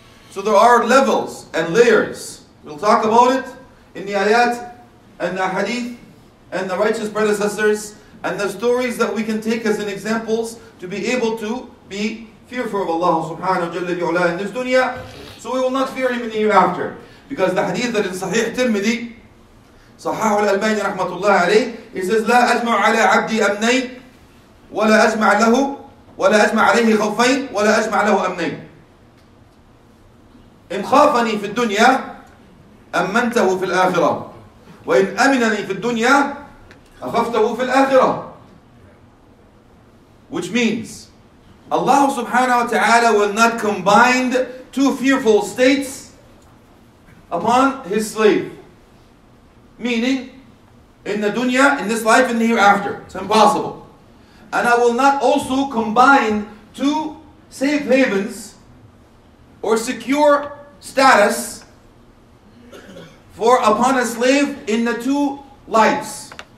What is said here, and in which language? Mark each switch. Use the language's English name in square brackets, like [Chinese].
[English] So there are levels and layers. We'll talk about it in the ayat and the hadith and the righteous predecessors and the stories that we can take as an examples to be able to be fearful of Allah subhanahu wa jalla bi'ula in this dunya, so we will not fear him in the hereafter. Because the hadith that in Sahih Tirmidhi, Sahih al-Albani rahmatullah alayh, he says, [Arabic] لا أجمع على عبدي أمنين ولا أجمع له ولا أجمع عليه خوفين ولا أجمع له أمنين. إن خافني في الدنيا أمنته في الآخرة، وإن أمنني في الدنيا أخفته في الآخرة. [English] Which means Allah subhanahu wa ta'ala will not combine two fearful states upon his slave. Meaning in the dunya, in this life, in the hereafter. It's impossible. And I will not also combine two safe havens or secure status for upon a slave in the two lives.